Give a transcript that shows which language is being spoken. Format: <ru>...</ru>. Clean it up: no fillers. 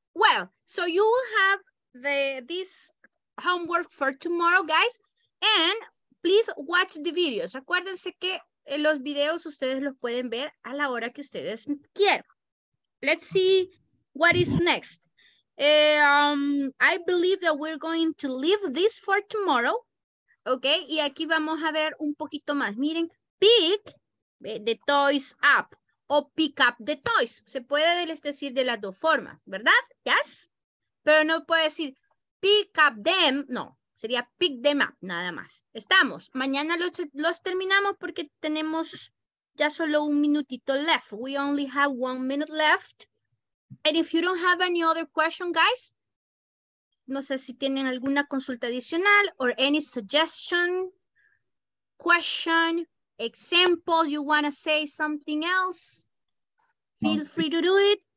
<en>Well, so you will have this homework for tomorrow, guys. And please watch the videos.</en> <es>Acuérdense que en los videos ustedes los pueden ver a la hora que ustedes quieran.</es> <en>Let's see what is next. I believe that we're going to leave this for tomorrow.</en> <es>Okay, y aquí vamos a ver un poquito más.</es> <en>Miren, pick the toys up o pick up the toys.</en> <es>Se puede decir de las dos formas, ¿verdad? Yes, pero no puede decir pick up them, no. Sería pick them up, nada más. Estamos. Mañana los terminamos porque tenemos ya solo un minutito left.</es> <en>We only have 1 minute left. And if you don't have any other question, guys,</en> <es>no sé si tienen alguna consulta adicional</es> <en>or any suggestion, question, example, you want to say something else, feel free to do it.</en>